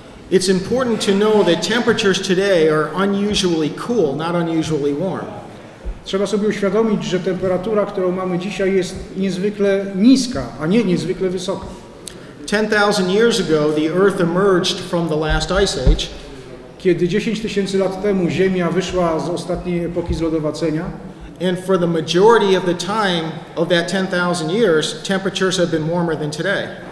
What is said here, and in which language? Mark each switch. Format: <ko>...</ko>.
<en>It's important to know that temperatures today are unusually cool, not unusually warm.</en> <pl>Trzeba sobie uświadomić, że temperatura, którą mamy dzisiaj, jest niezwykle niska, a nie niezwykle wysoka.</pl> <en>10,000 years ago, the Earth emerged from the last ice age.</en> <pl>Kiedy 10 tysięcy lat temu Ziemia wyszła z ostatniej epoki zlodowacenia.</pl> <en>And for the majority of the time of that 10,000 years, temperatures have been warmer than today.</en>